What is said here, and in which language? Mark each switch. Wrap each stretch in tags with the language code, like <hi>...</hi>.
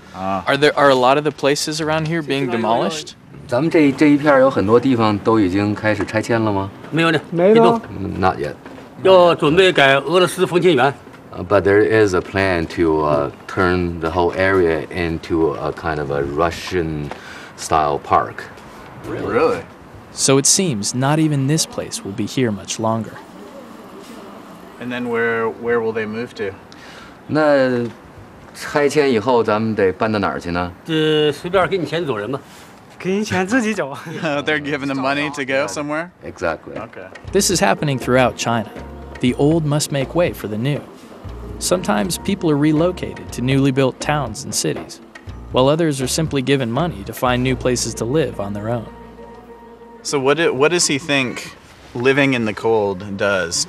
<en>Are a lot of the places around here being demolished?</en> <zh>咱们这一片有很多地方都已经开始拆迁了吗？没有呢，没有。</zh> <en>Not yet.</en> <zh>要准备改俄罗斯风情园。</zh> <en>But there is a plan to turn the whole area into a kind of a Russian-style park. Really? So it seems not even this place will be here much longer. And then where will they move to?</en> <zh>那拆迁以后咱们得搬到哪儿去呢? 随便给你钱走人吧。给你钱自己走。</zh> <en>They're giving the money to go somewhere? Exactly. Okay. This is happening throughout China. The old must make way for the new. Sometimes people are relocated to newly built towns and cities, while others are simply given money to find new places to live on their own. So what does he think living in the cold does?</en>